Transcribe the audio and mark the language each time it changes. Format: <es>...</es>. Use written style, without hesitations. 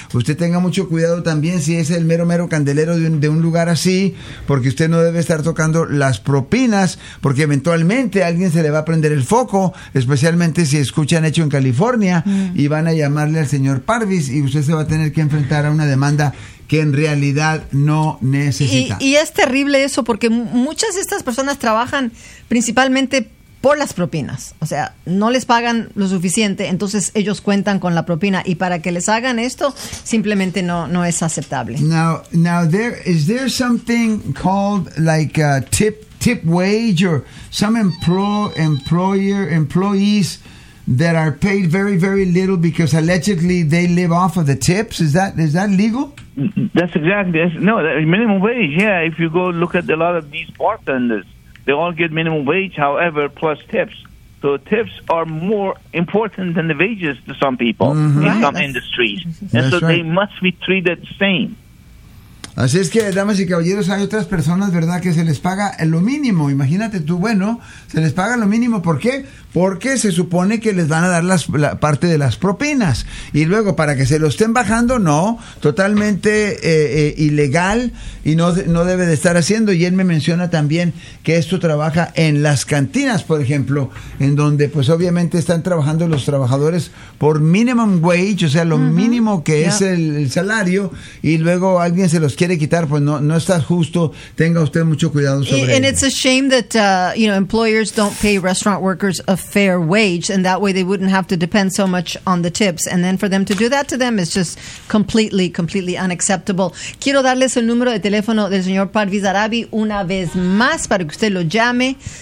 <es>Usted tenga mucho cuidado también si es el mero mero candelero de un lugar así, porque usted no debe estar tocando las propinas, porque eventualmente a alguien se le va a prender el foco, especialmente si escuchan hecho en California, y van a llamarle al señor Parvis y usted se va a tener que enfrentar a una demanda que en realidad no necesita. Y es terrible eso, porque muchas de estas personas trabajan principalmente por las propinas, o sea, no les pagan lo suficiente, entonces ellos cuentan con la propina, y para que les hagan esto simplemente no es aceptable.</es> <en>Now is there something called like a tip wage or some employees that are paid very very little because allegedly they live off of the tips? Is that legal? That's exactly that's minimum wage. Yeah, if you go look at a lot of these bartenders, they all get minimum wage, however, plus tips. So tips are more important than the wages to some people industries. And so they must be treated the same.</en> <es>Así es que, damas y caballeros, hay otras personas, ¿verdad?, que se les paga lo mínimo. Imagínate tú, bueno, se les paga lo mínimo. ¿Por qué? Porque se supone que les van a dar la parte de las propinas. Y luego, para que se lo estén bajando, no. Totalmente ilegal y no debe de estar haciendo. Y él me menciona también que esto trabaja en las cantinas, por ejemplo, en donde, pues, obviamente están trabajando los trabajadores por</es> <en>minimum wage,</en> <es>o sea, lo mínimo que es el salario. Y luego alguien se los quiere quitar, pues no está justo. Tenga usted mucho cuidado sobre ello.</es> <en>And it's a shame that employers don't pay restaurant workers a fair wage, and that way they wouldn't have to depend so much on the tips, and then for them to do that to them is just completely unacceptable.</en> <es>Quiero darles el número de teléfono del señor Parvis Arabi una vez más para que usted lo llame.</es>